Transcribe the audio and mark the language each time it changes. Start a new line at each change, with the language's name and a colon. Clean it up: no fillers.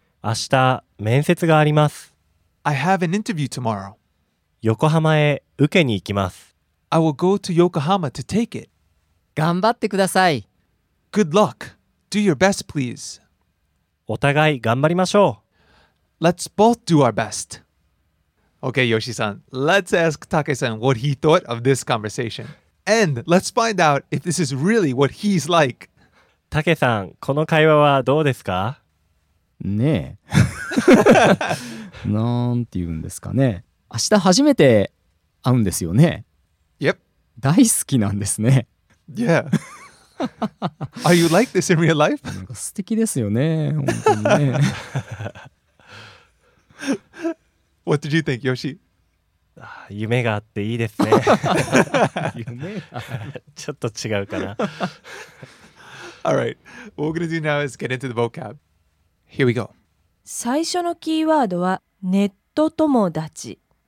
Japanese: 明日面接があります。
English: I have an interview tomorrow.
Japanese: 横浜へ受けに行きます。
English: I will go to Yokohama to take it.
Japanese: 頑張ってください。
English: Good luck. Do your best, please.
Japanese: お互い頑張りましょう。
English: Let's both do our best. Okay, Yoshi-san, let's ask Take-san what he thought of this conversation. And let's find out if this is really what he's like.
Japanese: Take-san, この会話はどうですか? ねえ。なんて言うんですかね。明日初めて会うんですよね。
English: Yep.
Japanese: 大好きなんですね。
English: Yeah. Are you like this in real life?
Japanese: 素敵ですよね、本当にね。
English: What did you think, Yoshi?
Japanese: 夢があっていいですね。夢ちょっと違うかな。
English: All right. What we're going to do now is get into the vocab. Here we go.
Japanese: 最初のキーワードはネット友達。